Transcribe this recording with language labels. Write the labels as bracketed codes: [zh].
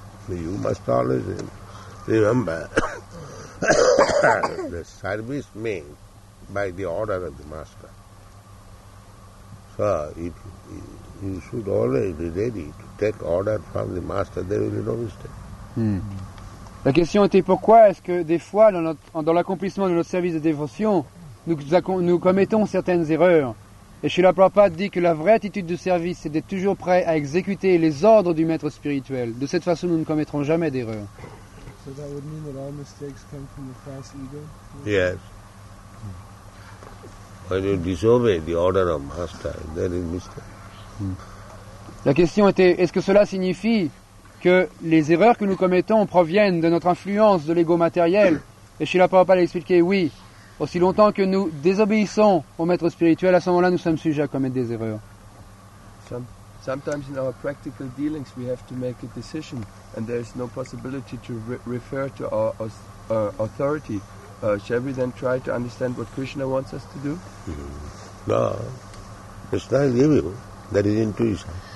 [en] You must always remember the service means by the order of the master. So you should always be ready to take order from the master. There will be no mistake. [fr] La question était pourquoi est-ce que des fois dans l'accomplissement de notre service de dévotion, nous commettons certaines erreurs. Et Srila Prabhupada dit que la vraie attitude de service, c'est d'être toujours prêt à exécuter les ordres du maître spirituel. De cette façon, nous ne commettrons jamais d'erreur. [en] So that would mean that all mistakes come from the false ego? Yes. When you disobey the order of master, there is mistake. [fr] La question était, est-ce que cela signifie que les erreurs que nous commettons proviennent de notre influence de l'ego matériel? Et Srila Prabhupada a expliqué, oui. Aussi longtemps que nous désobéissons au maître spirituel, à ce moment-là, nous sommes sujets à commettre des erreurs. [en] Sometimes in our practical dealings, we have to make a decision, and there is no possibility to refer to our authority. Shall we then try to understand what Krishna wants us to do? No, Krishna will give you. That is intuition.